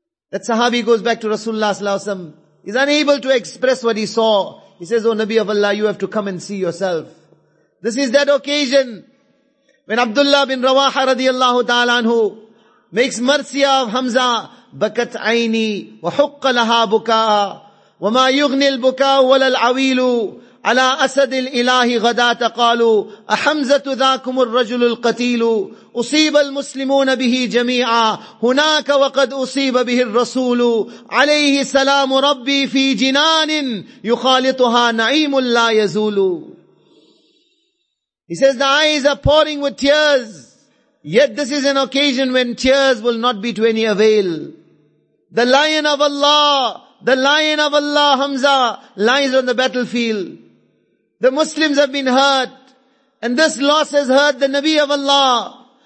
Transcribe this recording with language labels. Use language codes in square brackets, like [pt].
[en] That sahabi goes back to Rasulullah Sallallahu Alaihi Wasallam. He's unable to express what he saw. He says, oh Nabi of Allah, you have to come and see yourself. This is that occasion when Abdullah bin Rawaha radiallahu ta'ala anhu makes marsiya of Hamza, [ar] بكت عيني وحق لها بكاء وما يغني البكاء ولا العويل على أسد الإله غدا تقالوا أحمزة ذاكم الرجل القتيل أصيب المسلمون به جميعا هناك وقد أصيب به الرسول عليه سلام ربي في جنان يخالطها نعيم لا يزول. [en] He says the eyes are pouring with tears, yet this is an occasion when tears will not be to any avail. The lion of Allah, the lion of Allah, Hamza, lies on the battlefield. The Muslims have been hurt, and this loss has hurt the Nabi of Allah.